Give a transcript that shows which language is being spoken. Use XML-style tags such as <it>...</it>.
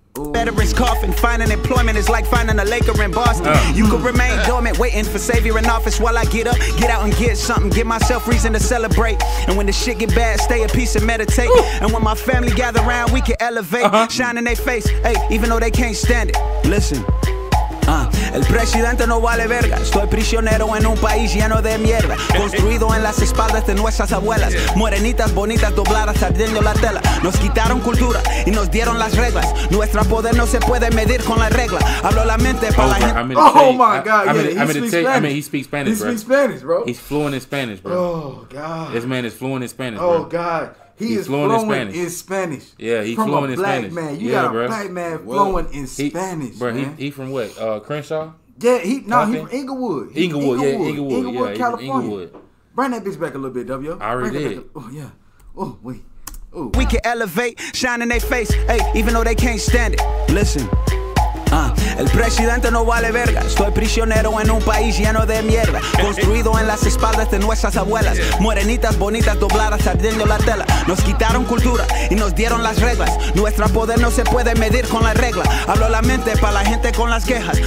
<en>Veterans coughing, finding employment is like finding a Laker in Boston. You could remain dormant, waiting for savior in office while I get up, get out and get something, give myself reason to celebrate. And when the shit get bad, stay at peace and meditate. And when my family gather around, we can elevate, shine in their face, hey, even though they can't stand it.</en> <es>Listen. El presidente no vale verga. Estoy prisionero en un país lleno de mierda. Construido en las espaldas de nuestras abuelas. Morenitas bonitas dobladas ardiendo la tela. Nos quitaron cultura y nos dieron las reglas. Nuestro poder no se puede medir con la regla. Hablo la mente para la gente.</es> <en>Oh my God. Yeah, he speaks Spanish, bro. He speaks Spanish, bro. He's fluent in Spanish, bro. Oh God. This man is fluent in Spanish, oh, bro. Oh God. He's fluent in Spanish. Yeah, he's fluent in Spanish. From a black man. Yeah, got a black man fluent in Spanish, bro. He from what? Crenshaw? Yeah, he's from Inglewood. Inglewood, California. Bring that bitch back a little bit, W. I already did. Oh, yeah. Oh, wait. Ooh. We can elevate, shine in their face, hey, even though they can't stand it.</en> <es>Listen. El presidente no vale verga. Estoy prisionero en un país lleno de mierda. Construido en las espaldas de nuestras abuelas. Morenitas bonitas dobladas ardiendo la tela. Nos quitaron cultura y nos dieron las reglas. Nuestro poder no se puede medir con la regla. Hablo la mente para la gente con las quejas.</es>